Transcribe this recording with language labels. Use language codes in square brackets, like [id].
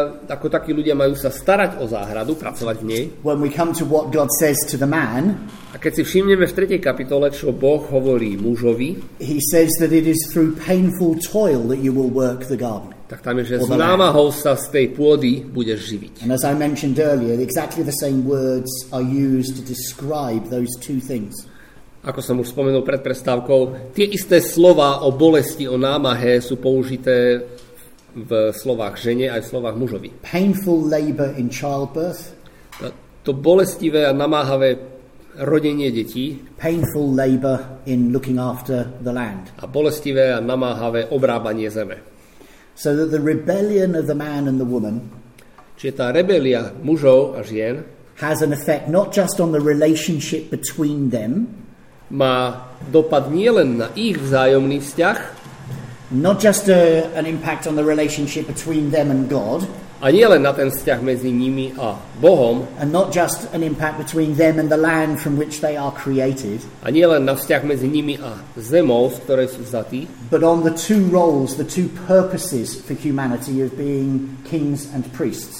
[sk] Ako takí ľudia majú sa starať o záhradu, pracovať v nej. [en] When we come to what God says to the man, [sk] a keď si všimneme v 3. kapitole, čo Boh hovorí mužovi, [en] he says that it is through painful toil that you will work the garden. [sk] Tak tam je, že s námahou sa z tej pôdy budeš živiť. [en] And as I mentioned earlier, exactly the same words are used to describe those two things. [sk] Ako som už spomenul pred prestávkou, tie isté slova o bolesti, o námahe sú použité v slovách žene aj v slovách mužovi. [en] Painful labor in childbirth. [sk] To bolestivé a namáhavé rodenie detí. [en] Painful labor in looking after the land. [sk] A bolestivé a namáhavé obrábanie zeme. [en] So that the rebellion of the man and the woman. [sk] Čiže tá rebelia mužov a žien [en] has an effect not just on the relationship between them. [sk] Má dopad nielen na ich vzájomný vzťah. [en] Not just an impact on the relationship between them and God. [sk] A nie len na ten vzťah medzi nimi a Bohom. [en] And not just an impact between them and the land from which they are created. [sk] A nie len na vzťah medzi nimi a zemou, z ktorej sú vzatí. [en] But on the two roles, the two purposes for humanity of being kings and priests.